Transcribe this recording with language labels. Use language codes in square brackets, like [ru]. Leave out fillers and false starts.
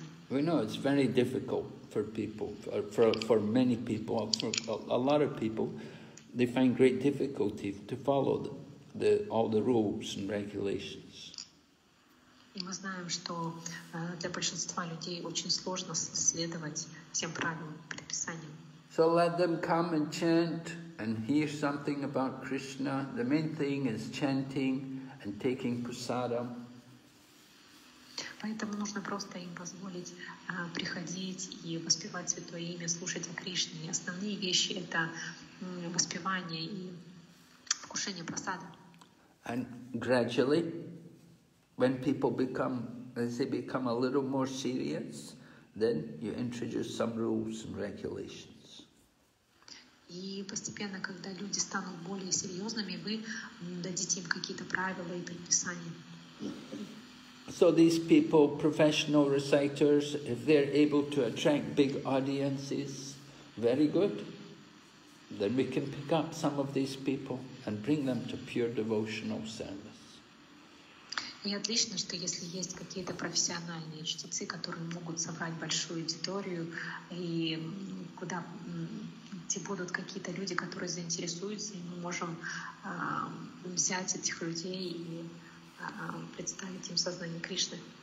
[en] We know it's very difficult for people, for many people, for a lot of people, they find great difficulty to follow all the rules and regulations. [ru] И мы знаем, что для большинства людей очень сложно следовать всем правилам и предписаниям. [en] So let them come and chant and hear something about Krishna. The main thing is chanting and taking prasadam. [ru] Поэтому нужно просто им позволить приходить и воспевать Святое Имя, слушать о Кришне. И основные вещи — это воспевание и вкушение прасада. [en] And gradually, when people become, as they become a little more serious, then you introduce some rules and regulations. [ru] И постепенно, когда люди станут более серьезными, вы дадите им какие-то правила и предписания. [en] So these people, professional reciters, if they're able to attract big audiences, very good. Then we can pick up some of these people and bring them to pure devotional service. [ru] И отлично, что если есть какие-то профессиональные чтецы, которые могут собрать большую аудиторию, и куда где будут какие-то люди, которые заинтересуются, и мы можем взять этих людей и представить им сознание Кришны.